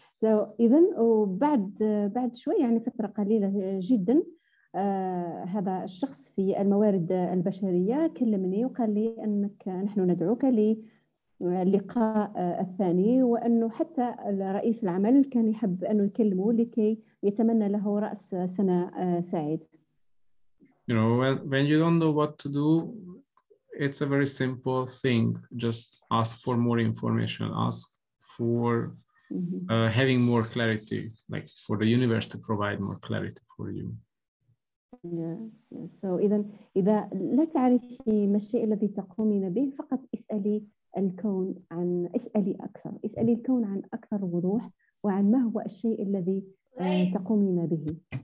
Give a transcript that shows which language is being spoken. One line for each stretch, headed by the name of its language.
Arabic: So إذن وبعد شوي يعني فترة قليلة جدا هذا الشخص في الموارد البشرية كلمني وقال لي أنك نحن ندعوك للقاء الثاني، وأنه حتى رئيس العمل كان يحب أنه يكلمه لكي يتمنى له رأس سنة سعيد.
English: You know, when you don't know what to do, it's a very simple thing. Just ask for more information. Ask for having more clarity, like for the universe to provide more clarity for you. Yeah.
Arabic: So, إذا لا تعرفي ما الشيء الذي تقومين به، فقط اسألي الكون عن اسألي أكثر. اسألي الكون عن أكثر وضوح وعن ما هو الشيء الذي تقومين به.